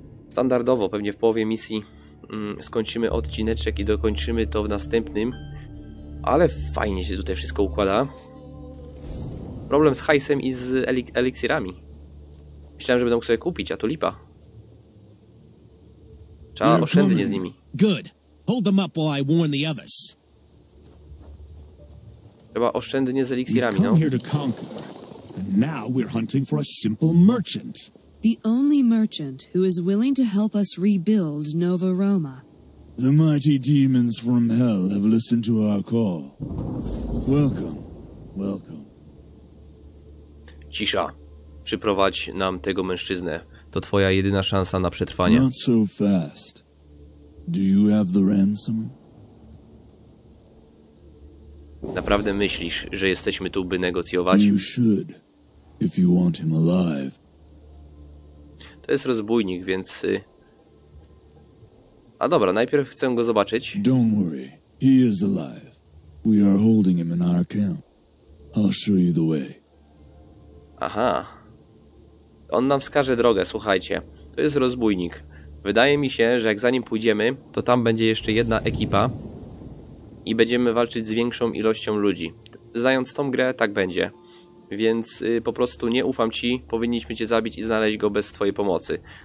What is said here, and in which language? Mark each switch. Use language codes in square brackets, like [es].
[pl] Standardowo, pewnie w połowie misji skończymy odcineczek i dokończymy to w następnym. Ale fajnie się tutaj wszystko układa. Problem z hajsem i z eliksirami. Myślałem, że będę mógł sobie kupić, a to lipa. Trzeba oszczędnie z nimi. [en] Good. Hold them up while I warn the others. [pl] Trzeba oszczędnie z eliksirami, no. [en] Here to conquer, and now we're hunting for a simple merchant. The only merchant who is willing to help us rebuild Nova Roma. The mighty demons from hell have listened to our call. Welcome. Welcome. [pl] Cisza. Przyprowadź nam tego mężczyznę. To twoja jedyna szansa na przetrwanie. [en] Not so fast. Do you have the ransom? [pl] Naprawdę myślisz, że jesteśmy tu, by negocjować? [en] You should, if you want him alive. [pl] To jest rozbójnik, więc... A dobra, najpierw chcę go zobaczyć. [en] Don't worry, he is alive. We are holding him in our camp. I'll show you the way. [pl] Aha. On nam wskaże drogę, słuchajcie. To jest rozbójnik. Wydaje mi się, że jak za nim pójdziemy, to tam będzie jeszcze jedna ekipa i będziemy walczyć z większą ilością ludzi. Znając tą grę, tak będzie. Więc po prostu nie ufam ci, powinniśmy cię zabić i znaleźć go bez twojej pomocy.